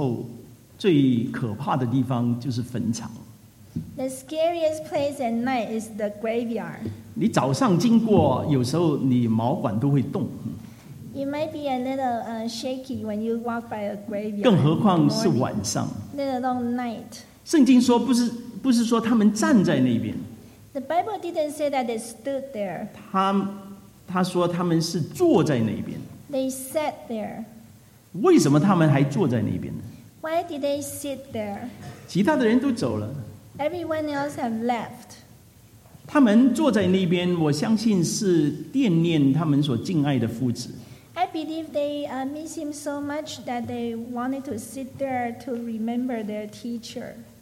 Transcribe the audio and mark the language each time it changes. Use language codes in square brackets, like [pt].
[zh] 一个晚上的时候，最可怕的地方就是坟场。 [en] The scariest place at night is the graveyard. [zh] 你早上经过，有时候你毛管都会动。 [en] You might be a little shaky when you walk by a graveyard. [zh] 更何况是晚上。 [en] Let alone night. [zh] 圣经说不是说他们站在那边。 [en] The Bible didn't say that they stood there. [zh] 他说他们是坐在那边。 [en] They sat there. [zh] 为什么他们还坐在那边呢？ [en] Why did they sit there? [zh] 其他的人都走了。 [en] Everyone else have left. [zh] 他们坐在那边，我相信是惦念他们所敬爱的夫子。 [en] I believe they miss him so much that they wanted to sit there to remember their teacher.